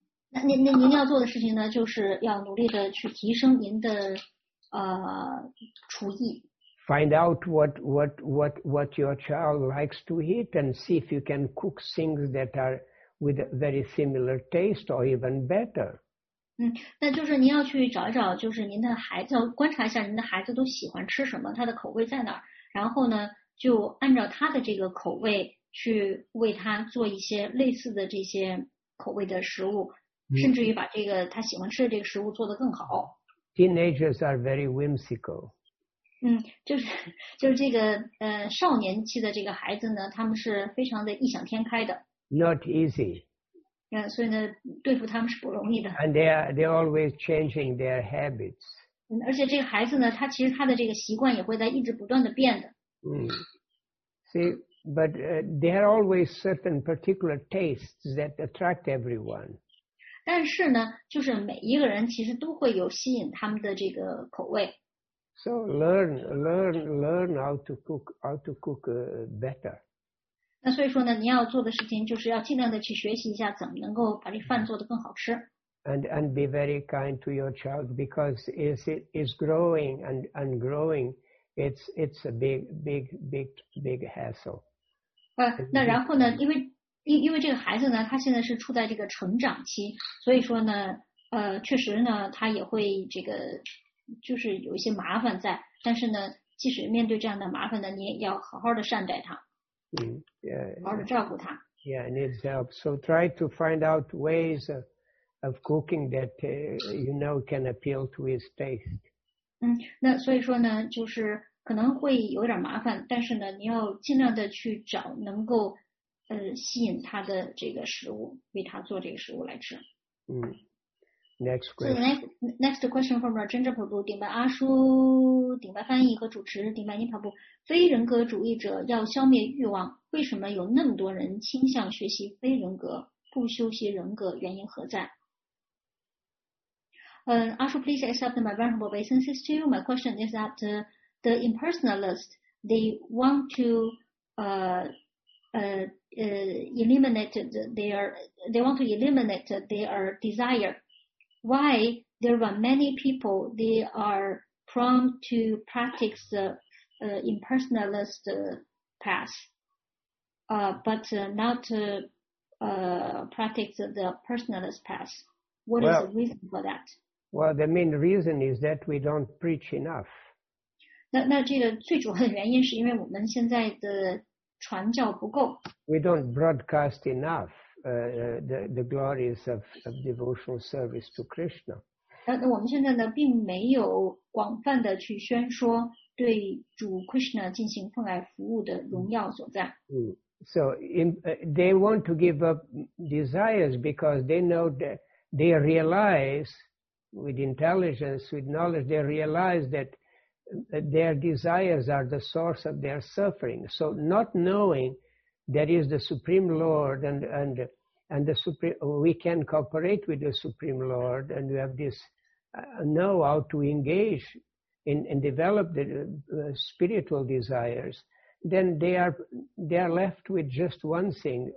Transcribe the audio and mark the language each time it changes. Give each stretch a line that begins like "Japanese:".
Chinese: 那您要做的事情呢，就是要努力的去提升您的厨艺。
English: Find out what your child likes to eat and see if you can cook things that are with a very similar taste or even better.
Chinese: 那就是您要去找一找，就是您的孩子，观察一下您的孩子都喜欢吃什么，他的口味在哪儿，然后呢，就按照他的这个口味去为他做一些类似的这些口味的食物，甚至于把这个他喜欢吃的这个食物做得更好。
English: Teenagers are very whimsical.
Chinese: 就是这个少年期的这个孩子呢，他们是非常的异想天开的。
English: Not easy.
Chinese: 所以呢，对付他们是不容易的。
English: And they're always changing their habits.
Chinese: 而且这个孩子呢，他其实他的这个习惯也会在一直不断的变的。
English: See, but there are always certain particular tastes that attract everyone.
Chinese: 但是呢，就是每一个人其实都会有吸引他们的这个口味。
English: So learn how to cook better.
Chinese: 那所以说呢，您要做的事情就是要尽量的去学习一下，怎么能够把这饭做得更好吃。
English: And be very kind to your child because it's growing and growing. It's a big hassle.
Chinese: 那然后呢，因为这个孩子呢，他现在是处在这个成长期，所以说呢，确实呢，他也会这个，就是有一些麻烦在。但是呢，即使面对这样的麻烦呢，你也要好好的善待他，好好的照顾他。
English: Yeah, needs help. So try to find out ways of cooking that you know can appeal to his taste.
Chinese: 那所以说呢，就是可能会有点麻烦，但是呢，你要尽量的去找能够吸引他的这个食物，为他做这个食物来吃。
English: Next question. So next question from Rajendra Prabhu,
Chinese: 顶白阿叔，顶白翻译和主持，顶白尼帕布。非人格主义者要消灭欲望，为什么有那么多人倾向学习非人格，不修习人格，原因何在？
English: Ashu, please accept my venerable obeisances to you. My question is that the impersonalists, they want to eliminate their desire. Why there are many people, they are prone to practice the impersonalist path, but not practice the personalist path. What is the reason for that? Well, the main reason is that we don't preach enough.
Chinese: 那这个最主要的原因是因为我们现在的传教不够。
English: We don't broadcast enough the glories of devotional service to Krishna.
Chinese: 那我们现在呢，并没有广泛的去宣说对主 Krishna 进行奉爱服务的荣耀所在。
English: So they want to give up desires because they know that they realize with intelligence, with knowledge, they realize that their desires are the source of their suffering. So not knowing that is the Supreme Lord and the Supreme, we can cooperate with the Supreme Lord and we have this know how to engage and develop the spiritual desires, then they are left with just one thing.